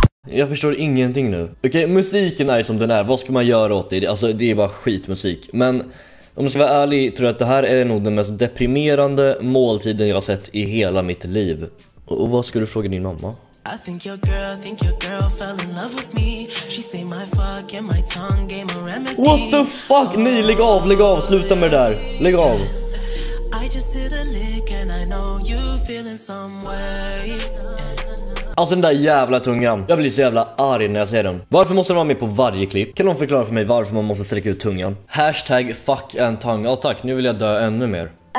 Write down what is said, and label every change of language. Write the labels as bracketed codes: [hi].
[sv] Jag förstår ingenting nu. Okej, musiken är som den är. Vad ska man göra åt det? Alltså, det är bara skitmusik. Men... om jag ska vara ärlig tror jag att det här är nog den mest deprimerande måltiden jag har sett i hela mitt liv. Och vad ska du fråga din mamma? [en] I think your girl fell in love with me. She say my fuck and my tongue game a remedy. What the fuck? [sv] Ni, lägg av, sluta med det där. Lägg av. [en] I just hit a lick and I know you feeling some way. [sv] Alltså den där jävla tungan. Jag blir så jävla arg när jag ser den. Varför måste den vara med på varje klipp? Kan någon förklara för mig varför man måste sträcka ut tungan? Hashtag fuck en tung. Ja tack, nu vill jag dö ännu mer.